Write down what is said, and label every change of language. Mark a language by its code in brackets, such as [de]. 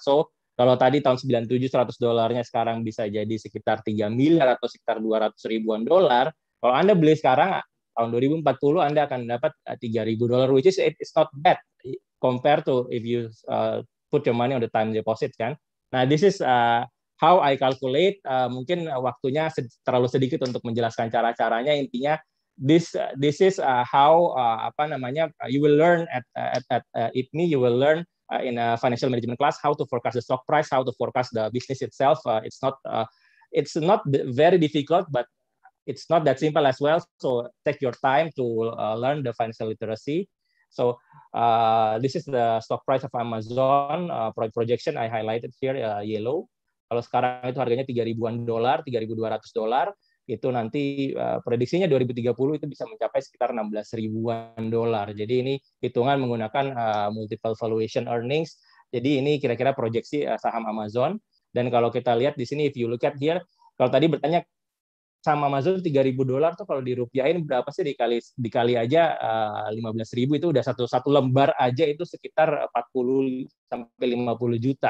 [id] So, kalau tadi tahun 97 $100-nya sekarang bisa jadi sekitar 3 miliar atau sekitar 200 ribuan dolar, kalau Anda beli sekarang, tahun 2040 Anda akan dapat $3,000, [en] which is it's not bad compared to if you put your money on the time deposit, [id] kan? [en] Nah, this is... how I calculate, [id] mungkin waktunya terlalu sedikit untuk menjelaskan cara-caranya. [en] Intinya, this is how you will learn at IPMI. You will learn in a financial management class how to forecast the stock price, how to forecast the business itself. It's not very difficult, but it's not that simple as well. So take your time to learn the financial literacy. So this is the stock price of Amazon projection. I highlighted here yellow. [id] Kalau sekarang itu harganya $3,200, itu nanti prediksinya 2030 itu bisa mencapai sekitar $16,000. Jadi ini hitungan menggunakan multiple valuation earnings. Jadi ini kira-kira proyeksi saham Amazon. Dan kalau kita lihat di sini, [en] if you look at here, [id] kalau tadi bertanya saham Amazon $3,000 tuh kalau dirupiahin berapa sih dikali aja 15.000 itu udah satu lembar aja itu sekitar 40 sampai 50 juta.